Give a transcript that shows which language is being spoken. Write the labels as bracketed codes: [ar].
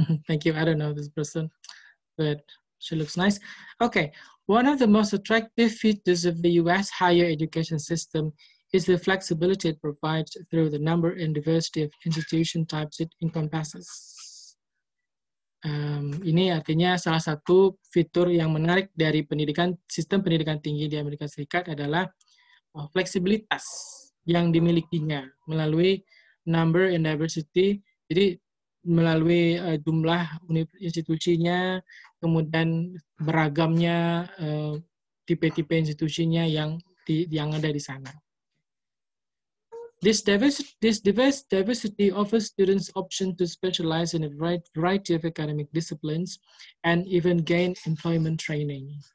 [en] Thank you. I don't know this person, but she looks nice. Okay. One of the most attractive features of the U.S. higher education system is the flexibility it provides through the number and diversity of institution types it encompasses. [id] Ini artinya salah satu fitur yang menarik dari pendidikan sistem pendidikan tinggi di Amerika Serikat adalah fleksibilitas yang dimilikinya melalui [en] number and diversity. [id] Jadi melalui jumlah institusinya, kemudian beragamnya tipe-tipe institusinya yang ada di sana. [en] This diversity offers students option to specialize in a variety of academic disciplines and even gain employment training.